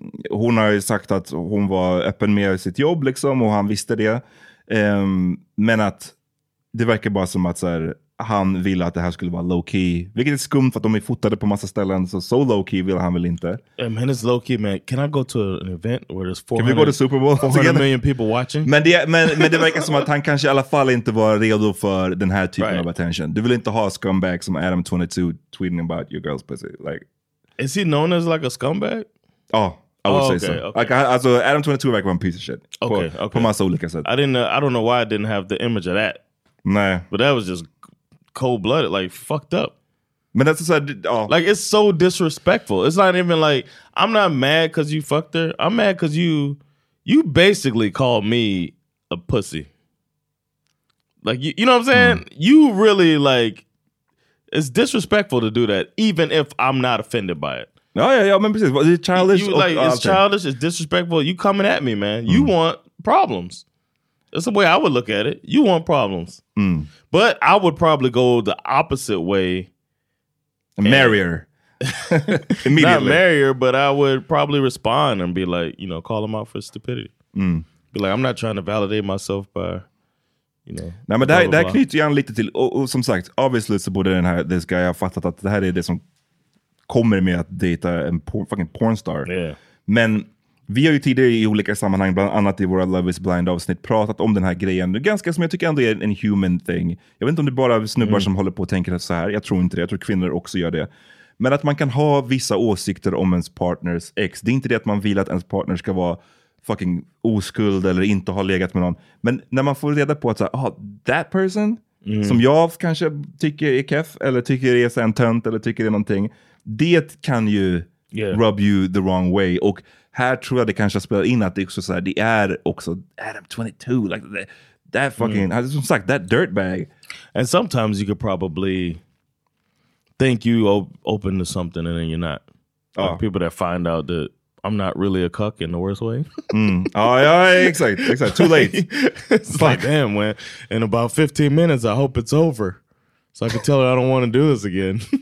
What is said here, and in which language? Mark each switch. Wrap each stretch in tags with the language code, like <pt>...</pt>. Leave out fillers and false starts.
<sv>Hon har ju sagt att hon var öppen med sitt jobb, liksom. Och han visste det. Men att det verkar bara som att så här, han ville att det här skulle vara low-key. Vilket är skumt för att de är fotade på massa ställen. Så low-key vill han väl inte.</sv> <en>Hey man, it's low-key, man. Can I go to an event where there's 400, can we go to Super Bowl 400 million people watching?</en> <sv>Men det verkar som att han kanske i alla fall inte var redo för den här typen av attention. Du vill inte ha</sv> <en>scumbag</en> <sv>som</sv> <en>Adam 22 tweeting about your girl's pussy. Like, is he known as like a scumbag? Oh, I would say so. Okay. Like,</en> <sv>alltså, Adam 22 verkar vara en</sv> <en>piece of shit. Okay.</en> <sv>På massa olika sätt.</sv> <en>I don't know why I didn't have the image of that.</en> <sv>Nej.</sv> <en>But that was just cold-blooded, like, fucked up. Man, that's just, like, it's so disrespectful. It's not even like, I'm not mad because you fucked her. I'm mad because you basically called me a pussy. Like, you know what I'm saying? You really, like, it's disrespectful to do that, even if I'm not offended by it. Oh, yeah, I remember this. Is it childish? Childish, it's disrespectful. You coming at me, man. You want problems. That's the way I would look at it. You want problems. Mm. But I would probably go the opposite way. Marry her. Immediately. Not marry her, but I would probably respond and be like, you know, call him out for stupidity. Mm. be like, I'm not trying to validate myself by, you know.</en> <sv>Nej, men det här knyter ju an lite till, och som sagt, obviously så borde den här,</sv> <en>this guy,</en> <sv>jag har fattat att det här är det som kommer med att dejta en</sv> <en>fucking pornstar. Yeah.</en> <sv>Men vi har ju tidigare i olika sammanhang, bland annat i våra Love is Blind-avsnitt, pratat om den här grejen. Ganska som jag tycker ändå är en</sv> <en>human thing.</en> <sv>Jag vet inte om det är bara snubbar som håller på och tänker så här. Jag tror inte det. Jag tror kvinnor också gör det. Men att man kan ha vissa åsikter om ens partners ex. Det är inte det att man vill att ens partner ska vara fucking oskuld eller inte ha legat med någon. Men när man får reda på att så här,</sv> <en>that person,</en> <sv>som jag kanske tycker är keff, eller tycker är så en tönt, eller tycker är någonting. Det kan ju</sv> <en>rub you the wrong way.</en> <sv>Och här tror jag det kanske spelar in att det också så här, det är också Adam 22,</sv> <en>like that fucking</en> <sv>som sagt,</sv> <en>that dirtbag. And sometimes you could probably think you open to something and then you're not. Oh. Like people that find out that I'm not really a cuck in the worst way. Exactly. Too late. It's like, damn, man. In about 15 minutes, I hope it's over. So I can tell her I don't want to do this again.</en>